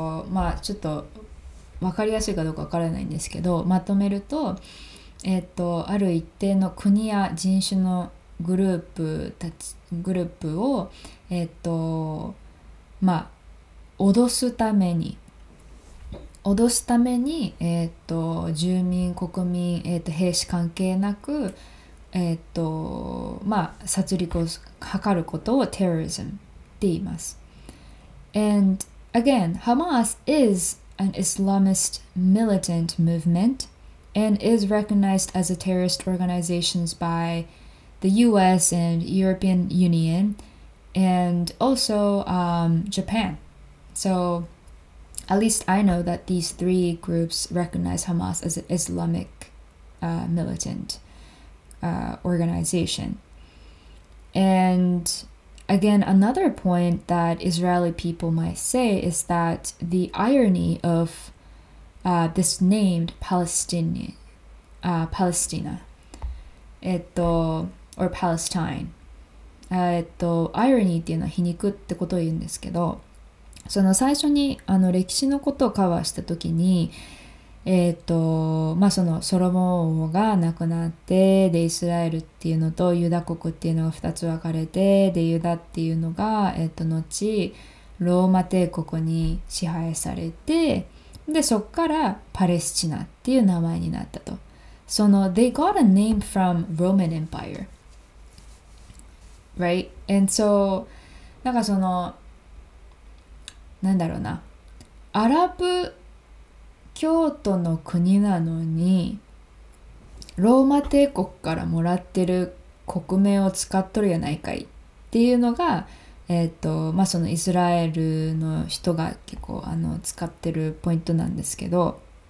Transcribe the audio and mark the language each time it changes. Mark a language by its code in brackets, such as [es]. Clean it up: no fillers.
[ja] まあちょっとわかりやすいかどうかわからないんですけど、まとめると、ある一定の国や人種のグループを、まあ、脅すために脅すために、住民、国民、兵士関係なく、まあ、殺戮を図ることをテロリズムって言います。 [en] And again, Hamas is an Islamist militant movement and is recognized as a terrorist organization by the US and European Union and also Japan. So... At least I know that these three groups recognize Hamas as an Islamic militant organization. And again, another point that Israeli people might say is that the irony of this named Palestine, or Palestine. [ja] Irony っていうのは皮肉ってことを言うんですけど、その最初にあの歴史のことをカバーした時に、まあ、そのソロモン王が亡くなって、でイスラエルっていうのとユダ国っていうのが2つ分かれて、でユダっていうのが、後ローマ帝国に支配されて、でそこからパレスチナっていう名前になったと。 [en] その They got a name from Roman Empire. Right? And so [ja] なんかそのなんだろうな、アラブ教徒の国なのにローマ帝国からもらってる国名を使っとるやないかいっていうのが、まあ、そのイスラエルの人が結構あの使ってるポイントなんですけど、